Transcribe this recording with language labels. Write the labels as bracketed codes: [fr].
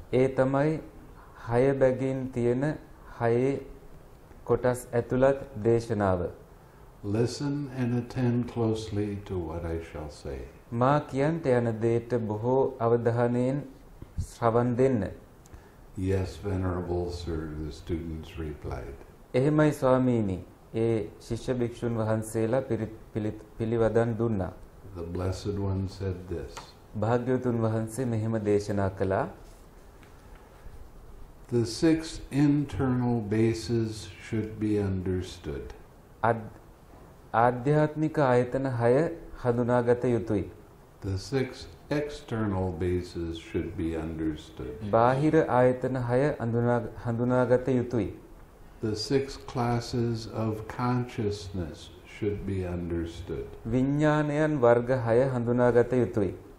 [si] E tamai haya begin tiyena haye kotas etulat deshanava. [en] Listen and attend closely to what I shall say. [si] Ma kiyanta yana deeta boho avadhanen ශ්‍රවන් දෙන්න. [en] Yes, venerable sir, the students replied. [si] එහෙමයි ස්වාමීනි. ඒ ශිෂ්‍ය භික්ෂුන් වහන්සේලා පිළිවදන් දුන්නා. [en] The blessed one said this. [si] භාග්‍යවතුන් වහන්සේ මෙහෙම දේශනා කළා. [en] The six internal bases should be understood. [si] ආධ්‍යාත්මික ආයතන හය හඳුනාගත යුතුයි. [en] The six external bases should be understood. [si] බාහිර ආයතන හය හඳුනාගත යුතුයි. [en] The six classes of consciousness should be understood. [si] විඥානයන් වර්ග හය හඳුනාගත යුතුයි.